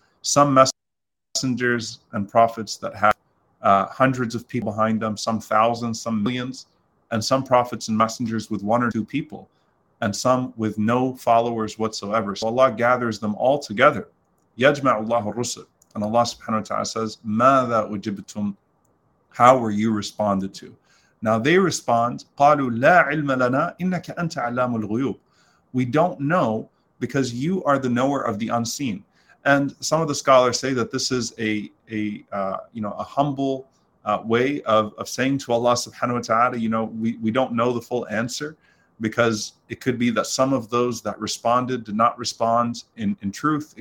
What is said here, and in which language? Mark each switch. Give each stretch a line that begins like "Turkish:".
English: Some messengers and prophets that have hundreds of people behind them, some thousands, some millions, and some prophets and messengers with one or two people, and some with no followers whatsoever. So Allah gathers them all together.
Arabic: يَجْمَعُ اللَّهُ الرُّسُلُ.
English: And Allah subhanahu wa ta'ala says,
Arabic: مَاذَا أُجِبْتُمْ.
English: How were you responded to? Now they respond,
Arabic: قَالُوا لَا عِلْمَ لَنَا إِنَّكَ أَنْتَ عَلَّامُ الْغُيُوبِ.
English: We don't know because you are the knower of the unseen. And some of the scholars say that this is a humble way of saying to Allah subhanahu wa ta'ala, you know, we don't know the full answer, because it could be that some of those that responded did not respond in truth.